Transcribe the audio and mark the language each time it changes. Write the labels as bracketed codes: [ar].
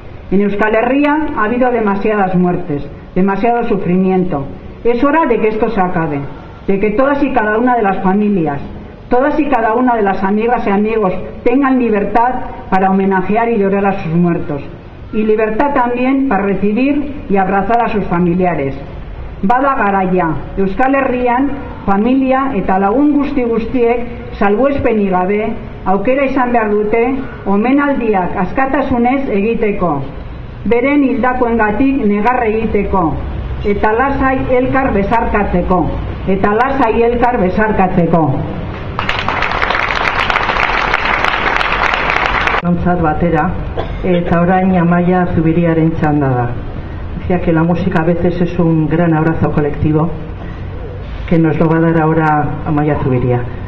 [es] En Euskal Herria ha habido demasiadas muertes, demasiado sufrimiento. Es hora de que esto se acabe, de que todas y cada una de las familias, todas y cada una de las amigas y amigos tengan libertad para homenajear y llorar a sus muertos, y libertad también para recibir y abrazar a sus familiares. [eu] Bada garaia, Euskal Herrian, familia eta lagun guzti guztiek, salbuespenik gabe, aukera izan behar dute, omenaldiak askatasunez egiteko, beren hildakoengatik negar egiteko, eta lasai elkar besarkatzeko, eta lasai elkar besarkatzeko. Gontzat batera, eta orain Amaia Zubiriaren txanda da. [es] Decía que la música a veces es un gran abrazo colectivo, que nos lo va a dar ahora Amaia Zubiria.